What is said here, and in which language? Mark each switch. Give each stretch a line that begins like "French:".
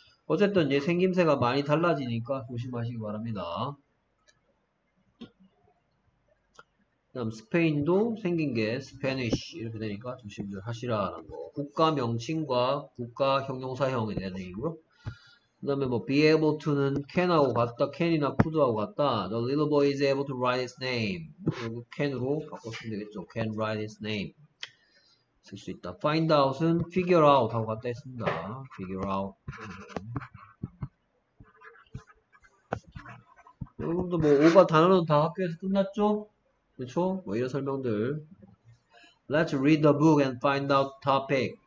Korean: 어쨌든 이제 생김새가 많이 달라지니까 조심하시기 바랍니다. 그다음 스페인도 생긴 게 스페니쉬 이렇게 되니까 조심들 하시라는 거. 국가 명칭과 국가 형용사형이 되는 거고요. 그다음에 뭐 be able to는 can하고 같다. can이나 could하고 같다.
English: The little boy is able to write his name.
Korean: 그리고 can으로 바꿨으면 되겠죠.
English: can write his name
Korean: 쓸수 있다. find out은 figure out하고 같다 했습니다. figure out. 여러분도 뭐 오가 단어는 다 학교에서 끝났죠? 그쵸? 뭐 이런 설명들.
English: Let's read the book and find out topic.